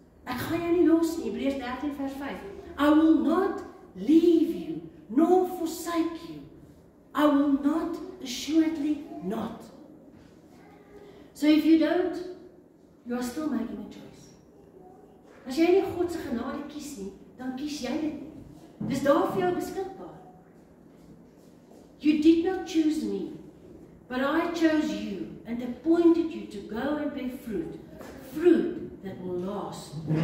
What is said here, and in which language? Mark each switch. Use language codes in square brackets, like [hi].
[af] Ek gaan jou nie los nie, Hebreërs 13 vers 5. [en] I will not leave you, nor forsake you. I will not, assuredly not. So if you don't, you are still making a choice. [af] As jy nie God se genade kies nie, dan kies jy dit nie. Dis daar vir jou beskikbaar. [en] You did not choose me, but I chose you and appointed you to go and bear fruit, fruit that will last.